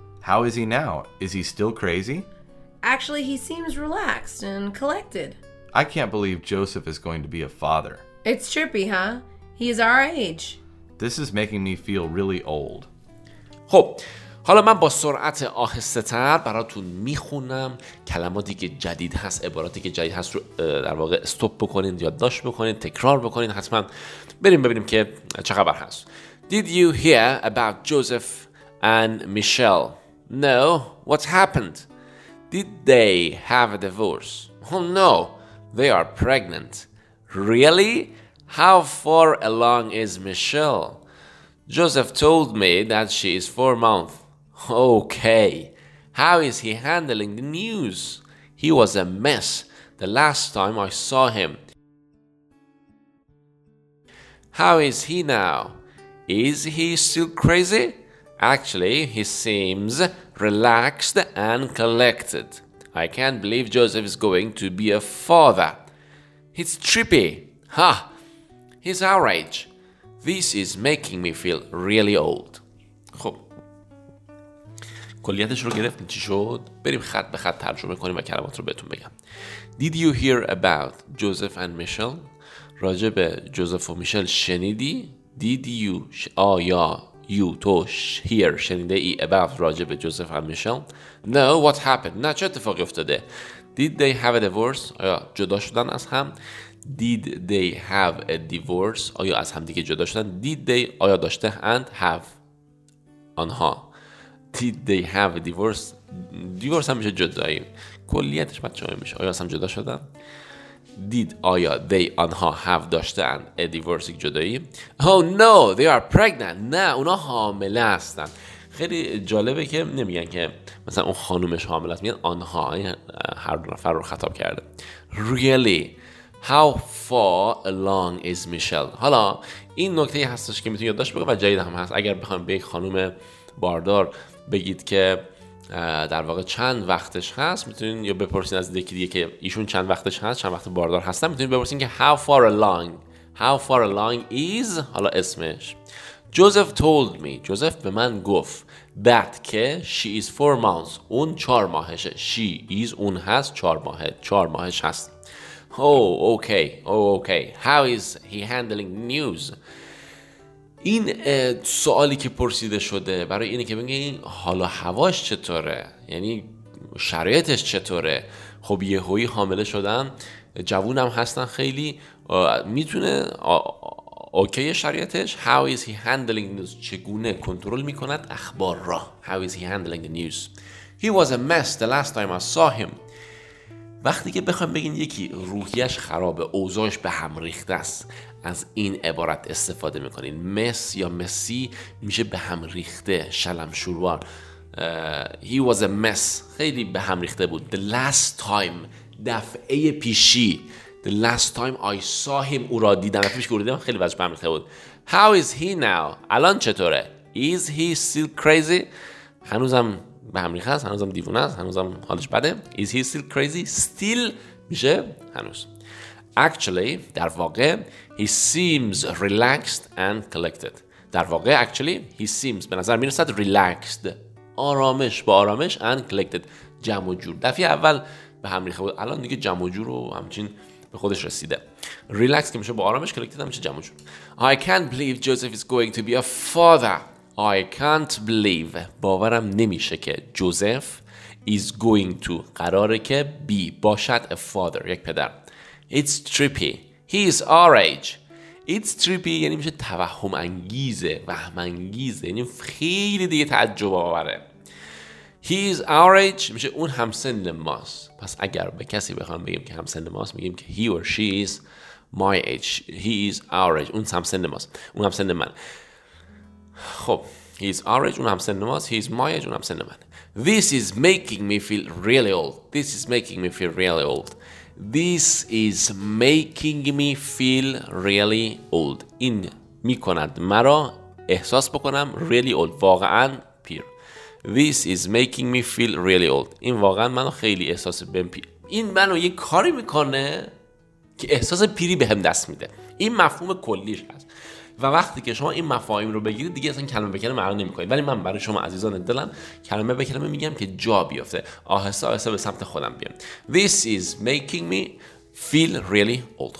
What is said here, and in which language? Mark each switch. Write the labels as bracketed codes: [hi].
[en] How is he now? Is he still crazy? Actually, he seems relaxed and collected. I can't believe Joseph is going to be a father. It's trippy, huh? He's our age. This is making me feel really old. [fa] خب حالا من با سرعت آهسته تر براتون میخونم کلماتی که جدید هست، عباراتی که جدید هست رو در واقع استوب بکنید، یادداشت بکنید، تکرار بکنید. حتما بریم ببینیم که چه خبر هست. [en] Did you hear about Joseph and Michelle? No, what happened? Did they have a divorce? Oh no, they are pregnant. Really? How far along is Michelle? Joseph told me that she is 4 months. Okay. How is he handling the news? He was a mess the last time I saw him. How is he now? Is he still crazy? Actually, he seems relaxed and collected. I can't believe Joseph is going to be a father. It's trippy. Ha! Huh. He's our age. This is making me feel really old. [fa] خب کلیتش رو گرفتین چی شد؟ بریم خط به خط ترجمه کنیم و کلمات رو بهتون بگم. [en] Did you hear about Joseph and Michelle? [fa] راجع به جوزف و میشل شنیدی؟ [en] Did you you to hear [fa] شنیده ای [en] about [fa] راجع به جوزف و میشل؟ [en] No, what happened? [fa] نه چه اتفاقی افتاده؟ [en] Did they have a divorce? [fa] آیا جدا شدن از هم؟ [en] Did they have a divorce? [fa] آیا از هم دیگه جدا شدن؟ [en] Did they [fa] آیا داشته [en] and have [fa] آنها؟ [en] Did they have a divorce? [fa] Divorce هم میشه جدایی، کلیتش بچه های میشه. آیا از هم جدا شدن؟ [en] Did [fa] آیا [en] they [fa] آنها [en] have [fa] داشته [en] and a divorce [fa] جدایی؟ [en] Oh no, they are pregnant. [fa] نه اونا حامله هستن. خیلی جالبه که نمیگن که مثلا اون خانومش حامله است، میگن آنها، هر دو نفر رو خطاب کرده. [en] Really? How far along is Michelle? [fa] حالا این نکته هستش که میتونی یادداشت بگم و جدید هم هست. اگر بخوام به یک خانم باردار بگید که در واقع چند وقتش هست، میتونین یا بپرسین از یکی دیگه که ایشون چند وقتش هست، چند وقت باردار هستن، میتونین بپرسین که [en] how far along. How far along is [fa] حالا اسمش. [en] Joseph told me. [fa] Joseph به من گفت. [en] That [fa] که [en] she is 4 months. [fa] اون 4 ماهشه. [en] She is [fa] اون هست. 4 ماهه. 4 ماهش هست. [en] Okay. How is he handling news? [fa] این سوالی که پرسیده شده برای اینه که بگه این حالا هواش چطوره؟ یعنی شرایطش چطوره؟ خب یه هویی حامله شدن، جوونم هستن خیلی، میتونه اوکی شرایطش؟ [en] How is he handling news؟ [fa] چگونه کنترل میکند اخبار را؟ [en] How is he handling the news? He was a mess the last time I saw him. [fa] وقتی که بخوام بگین یکی روحیش خرابه، اوضاعش به هم ریخته است، از این عبارت استفاده میکنین. مس یا مسی میشه به هم ریخته، شلم شوروار. [en] He was a mess. [fa] خیلی به هم ریخته بود. [en] The last time. [fa] دفعه پیشی. [en] The last time I saw him. [fa] او را دیدم. دفعه پیش که او را دیدم خیلی وضعش به هم ریخته بود. [en] How is he now? [fa] الان چطوره؟ [en] Is he still crazy? [fa] هنوزم به هم ریخته است، هنوزم دیوونه است، هنوزم حالش بده. [en] Is he still crazy? [fa] Still میشه هنوز. [en] Actually [fa] در واقع [en] he seems relaxed and collected. [fa] در واقع [en] actually he seems [fa] به نظر میرسد [en] relaxed، [fa] آرامش با آرامش، [en] and collected [fa] جمع و جور. دفعه اول به هم ریخته بود، الان دیگه جمع و جور و همچین به خودش رسیده. Relaxed که میشه با آرامش، collected هم میشه جمع و جور. [en] I can't believe Joseph is going to be a father. I can't believe [fa] باورم نمیشه که جوزف [en] is going to [fa] قراره که [en] be [fa] باشد [en] a father، [fa] یک پدر. [en] It's trippy. He is our age. [fa] It's trippy یعنی میشه توهم انگیزه، وهم انگیزه، یعنی خیلی دیگه تعجب آوره. [en] He is our age [fa] میشه اون همسن ماست. پس اگر به کسی بخوام بگیم که همسن ماست، میگیم که [en] he or she is my age. He is our age. [fa] اون همسن ماست، اون همسن من. خب [en] he is our age، [fa] اون همسن ماست. [en] He is my age، [fa] اون همسن من. [en] This is making me feel really old. This is making me feel really old. This is making me feel really old. [fa] این میکند مرا احساس بکنم [en] really old، [fa] واقعا پیر. [en] This is making me feel really old. [fa] این واقعا منو خیلی احساس بهم پیر. این منو یه کاری میکنه که احساس پیری بهم دست میده. این مفهوم کلیش هست. و وقتی که شما این مفاهیم رو بگیرید دیگه اصلا کلمه به کلمه معنی نمی‌کنید. ولی من برای شما عزیزان دلم کلمه به کلمه میگم که جا بیفته، آهسته آهسته به سمت خودم بیام. [en] This is making me feel really old.